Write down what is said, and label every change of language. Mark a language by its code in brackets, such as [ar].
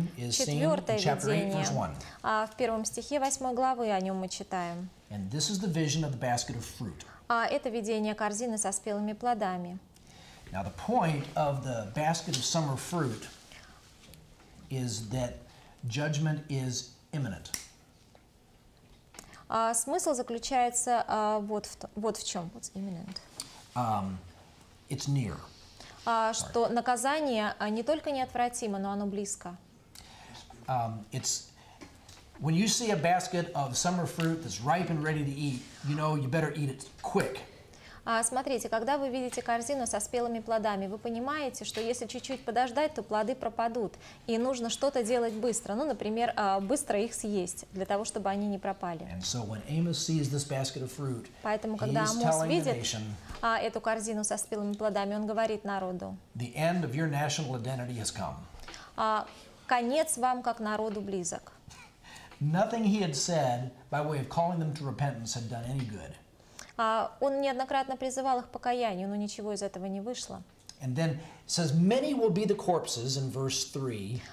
[ru] В первом стихе 8 главы о нем мы читаем. Это видение корзины со спелыми плодами. [en] Now the point of the basket of summer fruit is that judgment is imminent. [ru] Смысл заключается вот в чем. [en] What's imminent? It's near. [ru] Что наказание не только неотвратимо, но оно близко. [en] When you see a basket of summer fruit that's ripe and ready to eat, you know you better eat it quick. [ru] Смотрите, когда вы видите корзину со спелыми плодами, вы понимаете, что если чуть-чуть подождать, то плоды пропадут, и нужно что-то делать быстро. Ну, например, быстро их съесть для того, чтобы они не пропали. [en] And so when Amos sees this basket of fruit, [ru] поэтому когда Амос видит эту корзину со спелыми плодами, он говорит народу: [en] the end of your national identity has come. [ru] Конец вам как народу близок. [en] Nothing he had said by way of calling them to repentance had done any good. [ru] Он неоднократно призывал их к покаянию, но ничего из этого не вышло. [en] And then it says, many will be the corpses in verse 3.